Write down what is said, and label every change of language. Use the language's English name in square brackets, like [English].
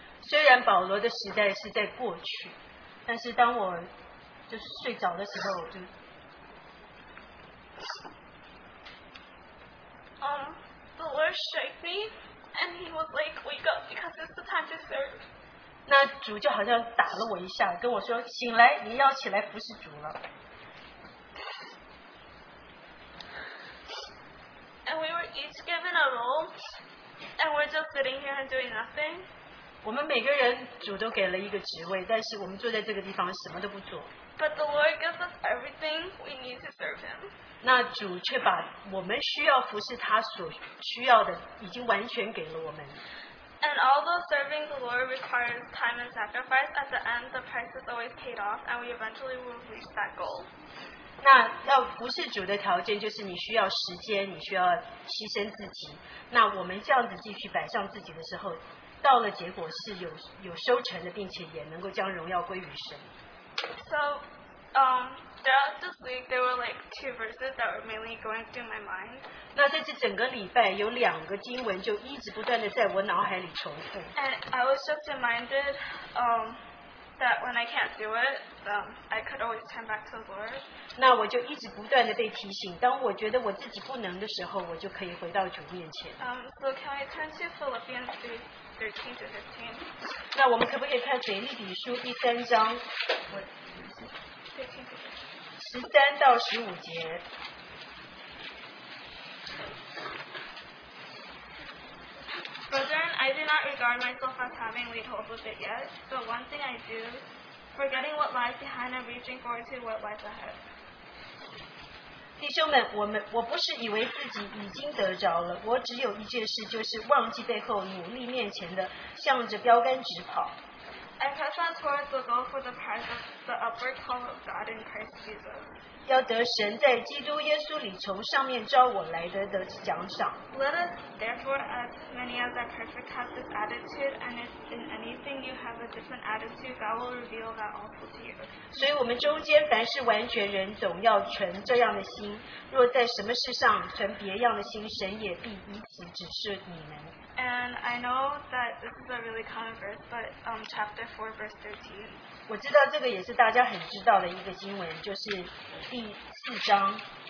[Chinese] 虽然保罗的时代是在过去，但是当我就是睡着的时候，我就 [English] The Lord shook me, and He was like, "Wake up, because it's the time to serve." [Chinese] 那主就好像打了我一下，跟我说：“醒来，你要起来服侍主了。” [English] And we were each given a role, and we're just sitting here and doing nothing. [Chinese] 我们每个人主都给了一个职位，但是我们坐在这个地方什么都不做。 [English] But the Lord gives us everything we need to serve Him. [Chinese] 那主却把我们需要服侍他所需要的已经完全给了我们。 [English] And although serving the Lord requires time and sacrifice, at the end the price is always paid off, and we eventually will reach that goal. [Chinese] 那要服侍主的条件就是你需要时间，你需要牺牲自己。那我们这样子继续摆上自己的时候，到了结果是有收成的，并且也能够将荣耀归于神。 [English] So, throughout this week, there were like two verses that were mainly going through my mind. [Chinese] 那在这整个礼拜，有两个经文就一直不断的在我脑海里重复。 [English] And I was just reminded, that when I can't do it, I could always turn back to the Lord. [Chinese] 那我就一直不断地被提醒，当我觉得我自己不能的时候，我就可以回到主面前。 [English] So can we turn to Philippians 3:13-15? [Chinese] 那我们可不可以看腓立比书第三章？ 13-15节。 [English] Brethren, I do not regard myself as having laid hold of it yet, but one thing I do, forgetting what lies behind and reaching forward to what lies ahead. [Chinese] 弟兄们，我不是以为自己已经得着了，我只有一件事，就是忘记背后，努力面前的，向着标杆直跑。 [English] I press on towards the goal for the prize of the upward call of God in Christ Jesus. [Chinese] 要得神在基督耶稣里从上面召我来得的奖赏。 [English] Let us therefore, as many as are perfect, have this attitude, and if in anything you have a different attitude, God will reveal that also to you. [Chinese] 所以我们中间凡是完全人，总要存这样的心。若在什么事上存别样的心，神也必以此指示你们。 [English] And I know that this is a really common verse, but chapter 4, verse 13. [Chinese] 我知道这个也是大家很知道的一个经文，就是第四章。